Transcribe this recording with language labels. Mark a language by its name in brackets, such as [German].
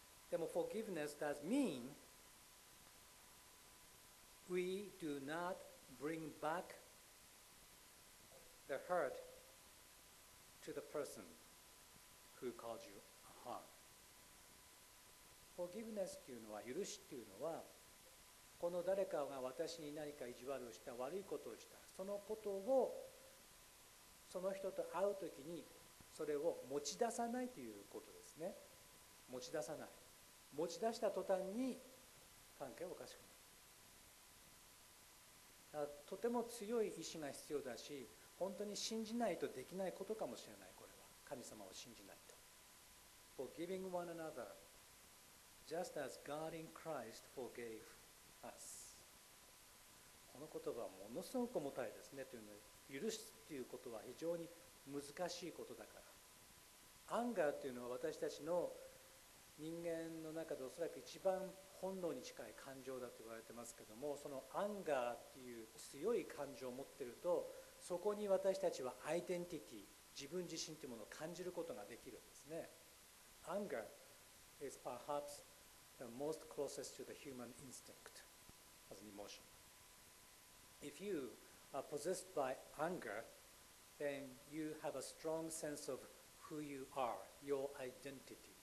[English] But forgiveness does mean we do not bring back. The hurt to the person who caused you harm. [Japanese] Forgiveness というのは、許しというのは、この誰かが私に何か意地悪をした、悪いことをした、そのことを、その人と会うときに、それを持ち出さないということですね。持ち出さない。持ち出した途端に、関係はおかしくなる。だからとても強い意志が必要だし、本当に信じないとできないことかもしれない、これは。神様を信じないと。 [English] Forgiving one another, just as God in Christ forgave us. [Japanese] この言葉はものすごく重たいですね。というのは、許すということは非常に難しいことだから。 Anger というのは私たちの人間の中でおそらく一番本能に近い感情だと言われてますけども、その Anger という強い感情を持っていると、そこに私たちはアイデンティティ、自分自身というものを感じることができるんですね。 [English] Anger is perhaps the most closest to the human instinct as an emotion. If you are possessed by anger, then you have a strong sense of who you are, your identity.